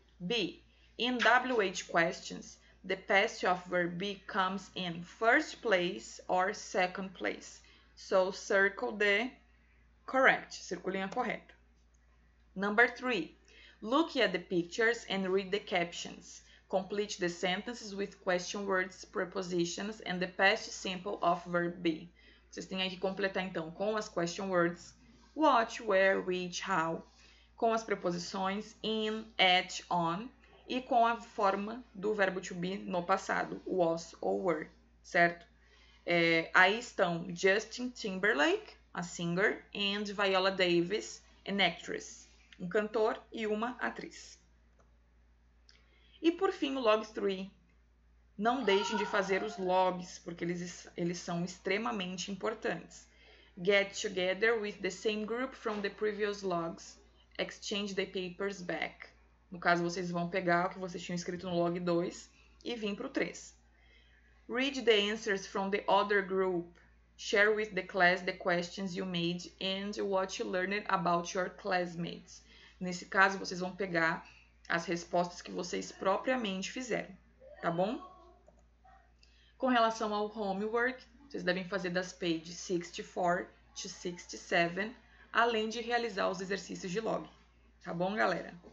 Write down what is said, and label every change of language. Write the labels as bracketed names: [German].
[English] B. In WH questions, the passive verb be comes in first place or second place. So, circle the correct. [Portuguese] Circulinha correta. [English] Number 3. Look at the pictures and read the captions. Complete the sentences with question words, prepositions and the past simple of verb be. [Portuguese] Vocês têm aí que completar, então, com as question words. [English] What, where, which, how. [Portuguese] Com as preposições [English] in, at, on. [Portuguese] E com a forma do verbo to be no passado, was ou were, certo? É, aí estão [English] Justin Timberlake, a singer, and Viola Davis, an actress. [Portuguese] Um cantor e uma atriz. E por fim, o log 3. Não deixem de fazer os logs, porque eles são extremamente importantes. [English] Get together with the same group from the previous logs. Exchange the papers back. [Portuguese] No caso, vocês vão pegar o que vocês tinham escrito no log 2 e vir para o 3. [English] Read the answers from the other group. Share with the class the questions you made and what you learned about your classmates. [Portuguese] Nesse caso, vocês vão pegar as respostas que vocês propriamente fizeram, tá bom? Com relação ao homework, vocês devem fazer das [English] pages 64 to 67, [Portuguese] além de realizar os exercícios de log, tá bom, galera?